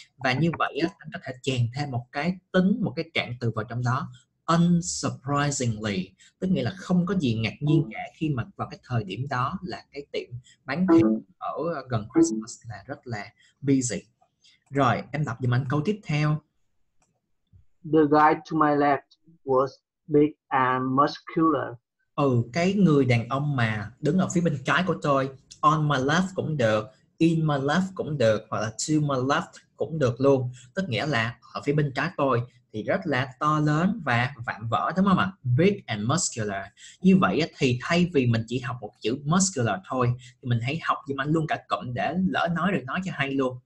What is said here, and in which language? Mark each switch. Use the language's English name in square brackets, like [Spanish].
[Vietnamese] Và như vậy á, anh có thể chèn thêm một cái tính, một cái cạn từ vào trong đó. Unsurprisingly, tức nghĩa là không có gì ngạc nhiên cả khi mà vào cái thời điểm đó là cái tiệm bán thịt ở gần Christmas là rất là busy. Rồi, em đọc giùm anh câu tiếp theo. [English] The guy to my left was big and muscular. [Vietnamese] Ừ, cái người đàn ông mà đứng ở phía bên trái của tôi, [English] on my left [Vietnamese] cũng được, [English] in my left [Vietnamese] cũng được, hoặc là [English] to my left [Vietnamese] cũng được luôn. Tức nghĩa là ở phía bên trái tôi thì rất là to lớn và vạm vỡ, đúng không ạ? [English] Big and muscular. [Vietnamese] Như vậy thì thay vì mình chỉ học một chữ muscular thôi, thì mình hãy học giùm anh luôn cả cụm để lỡ nói được nói cho hay luôn.